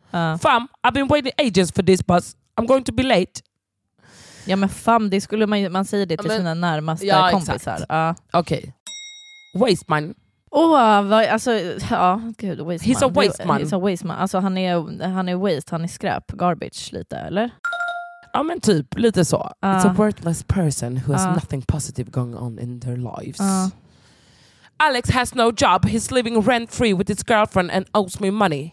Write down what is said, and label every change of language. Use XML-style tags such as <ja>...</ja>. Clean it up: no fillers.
<en>Fam, I've been waiting ages for this bus. I'm going to be late.</en> <sv>Ja, men fam, det skulle man säger det till men, sina närmaste ja, kompisar.</sv> <en>Okej. Okay. Waste man.</en> <sv>Oh, alltså, ja, gud, waste</sv> <en>he's man. A waste man. He's a waste man.</en> <sv>Alltså han är waste, han är skräp, garbage lite, eller? Ja, men typ, lite så.</sv> <en>It's a worthless person who has nothing positive going on in their lives. Alex has no job, he's living rent free with his girlfriend and owes me money.</en>